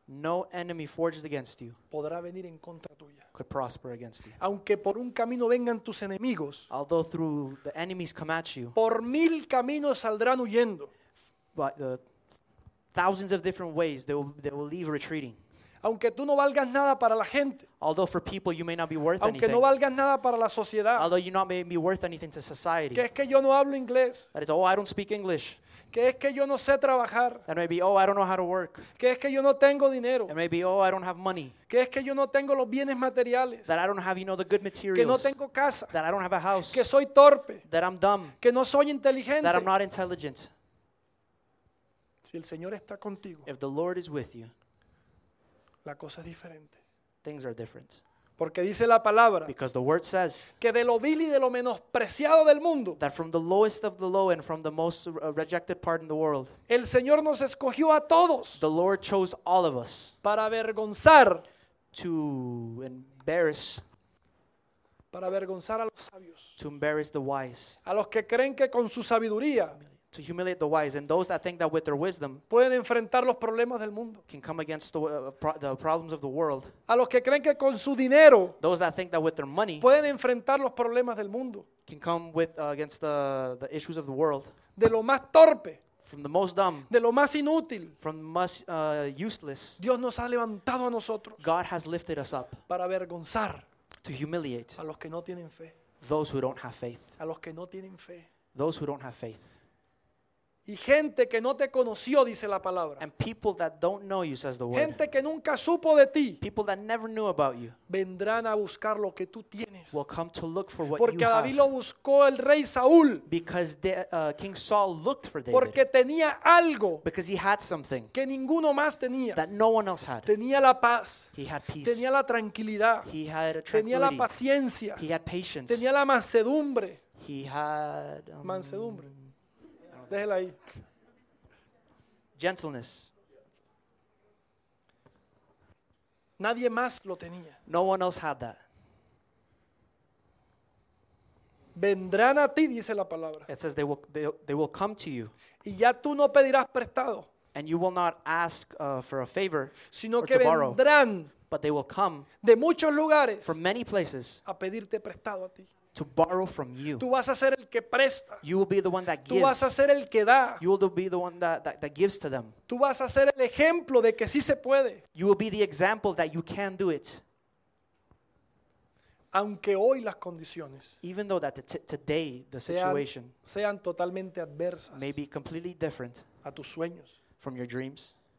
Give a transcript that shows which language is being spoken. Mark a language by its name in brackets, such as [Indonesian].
[English] no enemy forged against you, [Spanish] podrá venir en contra tuya, [English] could prosper against you. [Spanish] Aunque por un camino vengan tus enemigos, [English] although through the enemies come at you, [Spanish] por mil caminos saldrán huyendo, [English] but the thousands of different ways they will leave retreating. [Spanish] Aunque tú no valgas nada para la gente, [English] although for people you may not be worth [Spanish] aunque [English] anything, [Spanish] no valgas nada para la sociedad, [English] although you not may be worth anything to society, [Spanish] que es que yo no hablo inglés, [English] that is, oh, I don't speak English, [Spanish] que es que yo no sé trabajar, [English] that may be, oh, I don't know how to work, [Spanish] que es que yo no tengo dinero, [English] that may be, oh, I don't have money, [Spanish] que es que yo no tengo los bienes materiales, [English] that I don't have, you know, the good materials, [Spanish] que no tengo casa, [English] that I don't have a house, [Spanish] que soy torpe, [English] that I'm dumb, [Spanish] que no soy inteligente, [English] that I'm not intelligent. [Spanish] Si el Señor está contigo, [English] if the Lord is with you, [Spanish] la cosa es diferente. [English] Things are different. [Spanish] Porque dice la palabra, [English] because the word says, [Spanish] que de lo vil y de lo menospreciado del mundo, [English] that from the lowest of the low and from the most rejected part in the world, [Spanish] el Señor nos escogió a todos, [English] the Lord chose all of us, [Spanish] para avergonzar, [English] to embarrass, [Spanish] para avergonzar a los sabios, [English] to embarrass the wise, [Spanish] a los que creen que con su sabiduría, [English] to humiliate the wise, and those that think that with their wisdom [Spanish] pueden enfrentar los problemas del mundo, [English] can come against the problems of the world, [Spanish] a los que creen que con su dinero, [English] those that think that with their money [Spanish] pueden enfrentar los problemas del mundo, [English] can come with against the issues of the world, [Spanish] de lo más torpe, [English] from the most dumb, [Spanish] de lo más inútil, [English] from the most useless, [Spanish] Dios nos ha levantado a nosotros, [English] God has lifted us up, [Spanish] para avergonzar, [English] to humiliate, [Spanish] a los que no tienen fe, [English] those who don't have faith, [Spanish] a los que no tienen fe, [English] those who don't have faith. [Spanish] Y gente que no te conoció, dice la palabra. [English] And people that don't know you, says the word. [Spanish] Gente que nunca supo de ti. [English] People that never knew about you. [Spanish] Vendrán a buscar lo que tú tienes. [English] Will come to look for what [Spanish] porque [English] you have. [Spanish] Porque David lo buscó el rey Saúl. [English] Because King Saul looked for David. [Spanish] Porque tenía algo. [English] Because he had something. [Spanish] Que ninguno más tenía. [English] That no one else had. [Spanish] Tenía la paz. [English] He had peace. [Spanish] Tenía la tranquilidad. [English] He had tranquility. [Spanish] Tenía la paciencia. [English] He had patience. [Spanish] Tenía la mansedumbre. [English] He had [Spanish] mansedumbre. Déjela ahí. [English] Gentleness. [Spanish] Nadie más lo tenía. [English] No one else had that. [Spanish] Vendrán a ti, dice la palabra. [English] It says they will come to you. [Spanish] Y ya tú no pedirás prestado. [English] And you will not ask for a favor, [Spanish] sino [English] or [Spanish] que [English] to [Spanish] vendrán [English] borrow, but they will come [Spanish] de muchos lugares [English] from many places [Spanish] a pedirte prestado a ti. [English] To borrow from you. [Spanish] Tú vas a ser el que presta. [English] You will be the one that gives. [Spanish] Tú vas a ser el que da. [English] You will be the one that gives to them. [Spanish] Tú vas a ser el ejemplo de que sí se puede. [English] You will be the example that you can do it. [Spanish] Aunque hoy las condiciones [English] even though that today the situation [Spanish] sean totalmente adversas [English] may be completely different [Spanish] a tus sueños [English] from your dreams.